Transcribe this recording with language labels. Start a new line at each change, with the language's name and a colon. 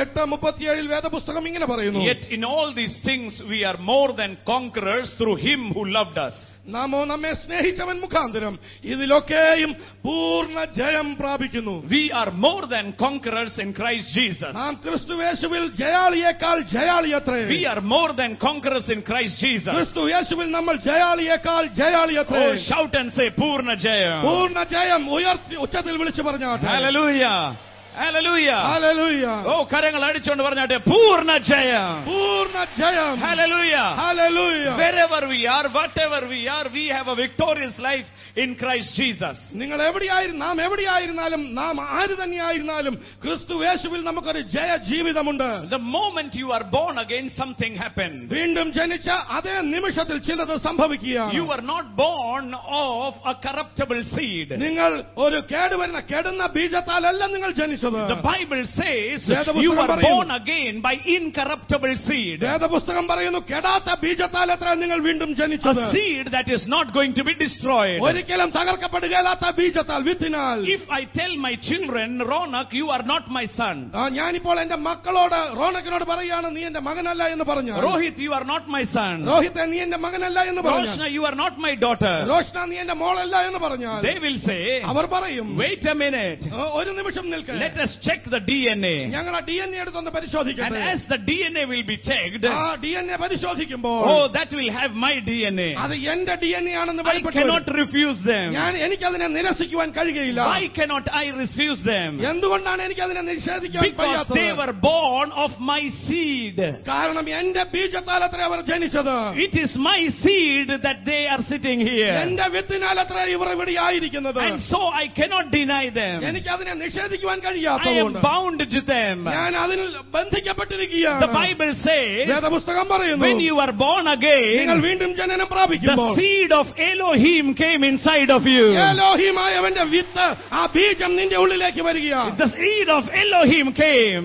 English: Yet in all these things we are more than conquerors through him who loved us.
Malayalam: നാമോ നമ്മെ സ്നേഹിച്ചവൻ മുഖാന്തരം ഇതിലൊക്കെയും പൂർണ്ണ ജയം പ്രാപിക്കുന്നു.
English: We are more than conquerors in Christ Jesus.
Malayalam: നാം ക്രിസ്തു യേശുവിൽ ജയാളിയേക്കാൾ ജയാളിയത്രേ.
English: We are more than conquerors in Christ Jesus.
Malayalam: ക്രിസ്തു യേശുവിൽ നമ്മൾ ജയാളിയേക്കാൾ ജയാളിയത്രേ.
English: Oh, shout and say
Malayalam: പൂർണ്ണ ജയം. പൂർണ്ണ ജയം ഉയർത്തി ഉച്ചത്തിൽ വിളിച്ചു പറഞ്ഞാട്ടെ. Hallelujah. Hallelujah. Hallelujah. Oh, കരങ്ങൾ അടിച്ചുകൊണ്ട് പറഞ്ഞാട്ടെ പൂർണ്ണ ജയം. പൂർണ്ണ ജയം. Hallelujah. Hallelujah.
English: Wherever we are, whatever we are, we have a victorious life in Christ Jesus.
Malayalam: നിങ്ങൾ എവിടെയായിരുന്നു നാം എവിടെയായിരുന്നാലും നാം ആര് തന്നെയായിരുന്നാലും ക്രിസ്തു യേശുവിൽ നമുക്കൊരു ജയ ജീവിതമുണ്ട്.
English: The moment you are born again, something happens.
Malayalam: വീണ്ടും ജനിച്ച അതേ നിമിഷത്തിൽ ചിലത് സംഭവിക്കുകയാണ്.
English: You are not born of a corruptible seed.
Malayalam: നിങ്ങൾ ഒരു കേടുവരുന്ന കെടുന്ന ബീജത്താലല്ല നിങ്ങൾ ജനിച്ചത്.
English: The Bible says you are born again by incorruptible seed.
Malayalam: വേദപുസ്തകം പറയുന്നു കെടാത്ത ബീജത്താൽ എത്ര നിങ്ങൾ വീണ്ടും ജനിച്ചത്.
English: A seed that is not going to be destroyed.
Malayalam: ഒരിക്കലും തകർക്കപ്പെടുകയില്ലാത്ത ബീജത്താൽ വിത്തിനാൽ.
English: If I tell my children, Ronak, you are not my son.
Malayalam: ഞാനിപ്പോൾ എന്റെ മക്കളോട് റോണക്കിനോട് പറയുകയാണ് നീ എന്റെ മകനല്ല എന്ന് പറഞ്ഞു.
English: Rohit you are not my son.
Malayalam: Rohit നീ എന്റെ മകനല്ല എന്ന് പറഞ്ഞു.
English: Roshna you are not my daughter.
Malayalam: Roshna നീ എന്റെ മോളല്ല എന്ന് പറഞ്ഞാൽ
English: they will say
Malayalam: അവർ പറയും
English: wait a minute
Malayalam: ഒരു നിമിഷം നിൽക്ക്
English: Let us check the DNA.
Malayalam: ഞങ്ങൾ ആ DNA എടുത്തൊന്ന് പരിശോധിക്കട്ടെ.
English: As the DNA will be checked,
Malayalam: ആ DNA പരിശോധിക്കുമ്പോൾ
English: Oh that will have my DNA.
Malayalam: അത് എന്റെ DNA ആണെന്ന് വെളിപ്പെട്ടു.
English: I cannot refuse them.
Malayalam: ഞാൻ എനിക്കതിനെ നിരസിക്കുവാൻ കഴിയുകയില്ല.
English: Why cannot I refuse them?
Malayalam: എന്തുകൊണ്ടാണ് എനിക്കതിനെ നിഷേധിക്കാൻ കഴിയാത്തത്?
English: Because they were born of my seed.
Malayalam: കാരണം എന്റെ ബീജത്താലത്രേ അവർ ജനിച്ചത്.
English: It is my seed that they are sitting here.
Malayalam: എന്റെ വിത്തിനാലത്രേ ഇവർ ഇവിടെ ആയിരിക്കുന്നത്.
English: And so I cannot deny them.
Malayalam: എനിക്കതിനെ നിഷേധിക്കുവാൻ കഴിയില്ല.
English: bound to them. The Bible says, when you are born again, the seed of Elohim came inside of you. The seed of Elohim came.